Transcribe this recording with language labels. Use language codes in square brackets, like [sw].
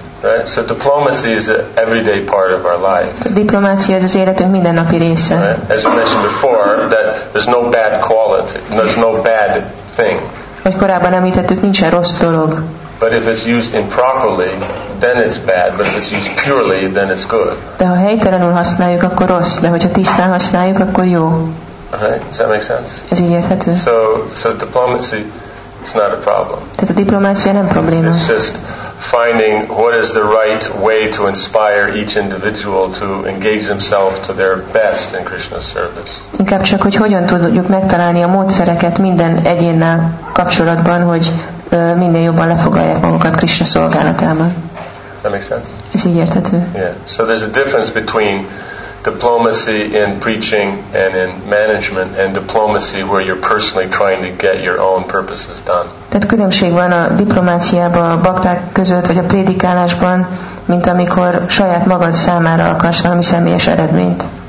[en] Right, so diplomacy is an everyday part of our life. [hu] Diplomácia az életünk mindennapi része. [en] Right? As we mentioned before, that there's no bad quality, there's no bad thing. [hu] Hogy korábban említettük, nincsen rossz dolog. [en] But if it's used improperly, then it's bad. But if it's used purely, then it's good. [hu] De ha helytelenül használjuk, akkor rossz. De hogyha tisztán használjuk, akkor jó. [en] Right? Does that make sense? [hu] Ez így érthető. [en] So diplomacy, it's not a problem. [hu] Tehát a diplomácia nem probléma. [en] It's just finding what is the right way to inspire each individual to engage himself to their best in Krishna's service. [hu] Inkább csak, hogy hogyan tudjuk megtalálni a módszereket minden egyénnel kapcsolatban, hogy minden jobban lefoglalják magukat Krishna szolgálatában. [en] Does that make sense? [hu] Ez így érthető. [en] Yeah. So there's a difference between diplomacy in preaching and in management and diplomacy where you're personally trying to get your own purposes done. [hu] Tehát különbség van a diplomáciában, a bakták között, vagy a prédikálásban, mint amikor saját magad számára akarsz valami személyes eredményt.